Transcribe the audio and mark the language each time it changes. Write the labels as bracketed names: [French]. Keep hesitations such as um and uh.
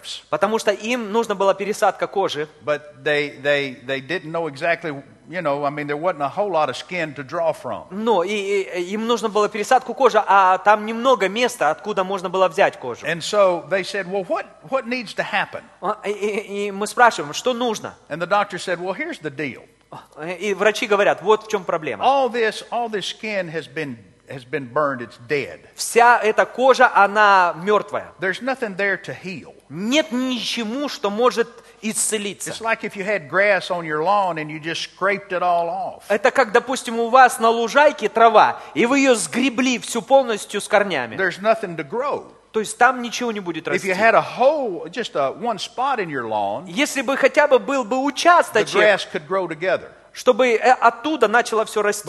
[Russian] Потому что им нужно была пересадка кожи. Но им нужно было пересадку кожи, а там немного места, откуда можно было взять кожу. И мы спрашиваем, что нужно? [English] And the doctor said, well, here's [Russian] И врачи говорят, вот в чем проблема. [English] All this, all this has been burned, it's dead. [Russian] Вся эта кожа, она мертвая. [English] There's nothing there to heal. [Russian] Нет ничему, что может исцелиться. [English] It's like if you you had grass on your lawn and you just scraped it all off. [Russian] Это как, допустим, у вас на лужайке трава, и вы ее сгребли всю полностью с корнями. [English] There's nothing to grow. [Russian] То есть там ничего не будет расти. Если бы хотя бы был бы участочек, чтобы оттуда начало все расти.